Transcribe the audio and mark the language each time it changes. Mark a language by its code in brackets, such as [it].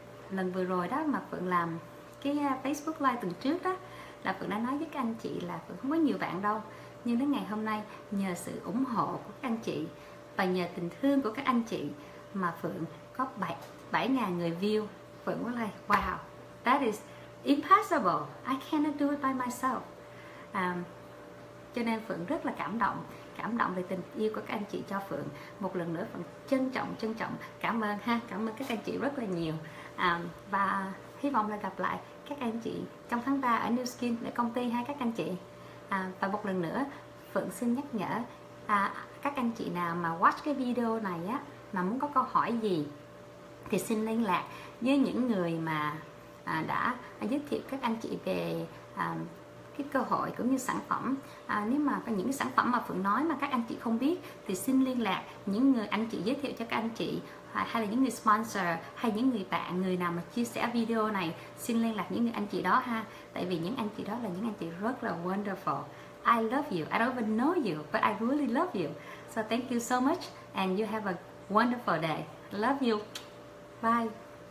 [vi] Lần vừa rồi đó mà Phượng làm cái Facebook Live tuần trước đó, là Phượng đã nói với các anh chị là Phượng không có nhiều bạn đâu, nhưng đến ngày hôm nay nhờ sự ủng hộ của các anh chị và nhờ tình thương của các anh chị mà Phượng có 7.000 người view [en] But we're like, wow, that is impossible. I cannot do it by myself. [vi] Cho nên Phượng rất là cảm động về tình yêu của các anh chị cho Phượng. Một lần nữa Phượng trân trọng cảm ơn ha, cảm ơn các anh chị rất là nhiều. Và hy vọng là gặp lại các anh chị trong tháng 3 ở New Skin để công ty ha các anh chị. Và một lần nữa Phượng xin nhắc nhở các anh chị nào mà watch cái video này á, mà muốn có câu hỏi gì thì xin liên lạc với những người mà đã giới thiệu các anh chị về cái cơ hội cũng như sản phẩm. Nếu mà có những sản phẩm mà Phượng nói mà các anh chị không biết thì xin liên lạc những người anh chị giới thiệu cho các anh chị, hay là những người sponsor, hay những người bạn, người nào mà chia sẻ video này, xin liên lạc những người anh chị đó ha. Tại vì những anh chị đó là những anh chị rất là wonderful. [en] I love you. I don't even know you, but I really love you. So thank you so much and you have a wonderful day. Love you. Bye.